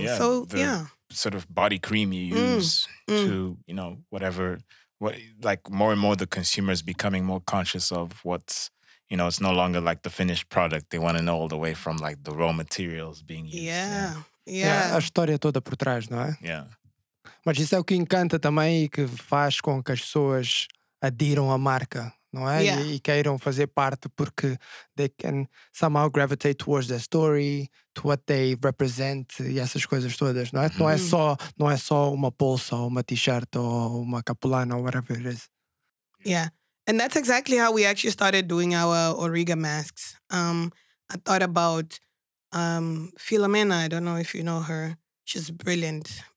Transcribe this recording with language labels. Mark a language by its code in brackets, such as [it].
[en] Yeah, sort of body cream you use to, you know, whatever. Like more and more the consumer is becoming more conscious of what's, you know, it's no longer like the finished product. They want to know all the way from like the raw materials being used. Yeah. [pt] A história toda por trás, não é? [en] Yeah. [pt] Mas isso é o que encanta também e que faz com que as pessoas adiram a marca, não é? [en] Yeah. [pt] E queiram fazer parte porque [en] they can somehow gravitate towards their story, to what they represent [pt] e essas coisas todas, não é? Mm-hmm. Não é só uma bolsa ou uma t-shirt ou uma capulana ou [en] whatever it is. Yeah, and that's exactly how we actually started doing our origami masks. I thought about Filomena, I don't know if you know her. She's brilliant.